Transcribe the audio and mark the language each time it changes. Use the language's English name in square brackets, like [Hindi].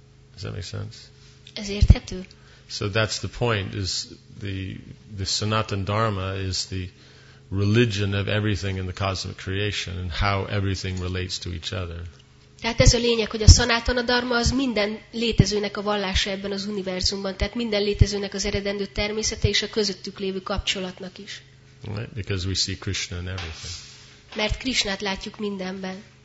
[English] Does that make sense? [Hungarian] Ez érthető? [English] So that's the point, is the Sanatana Dharma is the religion of everything in the cosmic creation and how everything relates to each other. [Hungarian] Tehát ez a lényeg, hogy a Sanatana Dharma az minden létezőnek a vallása ebben az univerzumban, tehát minden létezőnek az eredendő természete és a közöttük lévő kapcsolatnak is. [English] Right, because we see Krishna in everything. [Hungarian] Mert Krishnát látjuk mindenben.